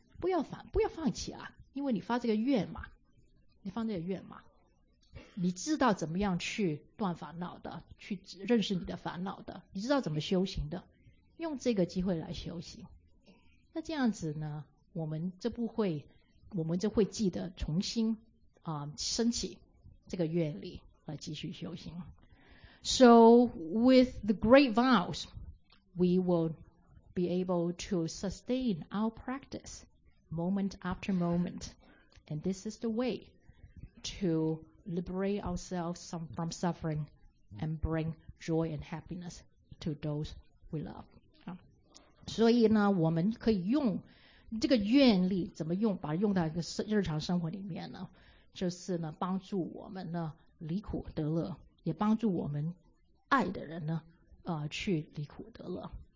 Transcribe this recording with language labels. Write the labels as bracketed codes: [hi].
[zh] 不要放弃啊，因为你发这个愿嘛，你放这个愿嘛，你知道怎么样去断烦恼的，去认识你的烦恼的，你知道怎么修行的，用这个机会来修行。那这样子呢，我们就会记得重新升起这个愿力来继续修行。 [en] So with the great vows we will be able to sustain our practice moment after moment, and this is the way to liberate ourselves from suffering and bring joy and happiness to those we love. [zh] 所以呢我们可以用这个愿力，怎么用，把它用到一个日常生活里面呢，就是呢帮助我们呢离苦得乐，也帮助我们爱的人呢去离苦得乐。